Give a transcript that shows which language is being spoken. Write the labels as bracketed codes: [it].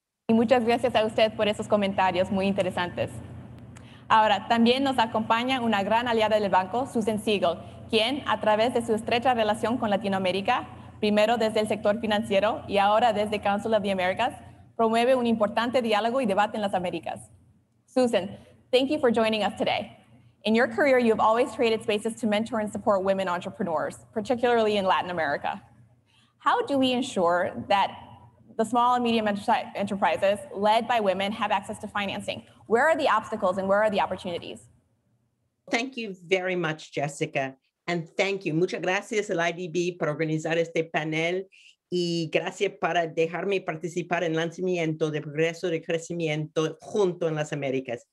[es] Y muchas gracias a usted por esos comentarios muy interesantes. Ahora, también nos acompaña una gran aliada del banco, Susan Siegel, quien, a través de su estrecha relación con Latinoamérica, primero desde el sector financiero y ahora desde Council of the Americas, promueve un importante diálogo y debate en las Américas. [en] Susan, thank you for joining us today. In your career, you have always created spaces to mentor and support women entrepreneurs, particularly in Latin America. How do we ensure that the small and medium enterprises led by women have access to financing? Where are the obstacles and where are the opportunities? Thank you very much, Jessica. And thank you. [es] Muchas gracias al IDB por organizar este panel y gracias para dejarme participar en el lanzamiento de Progreso de Crecimiento junto en las Américas.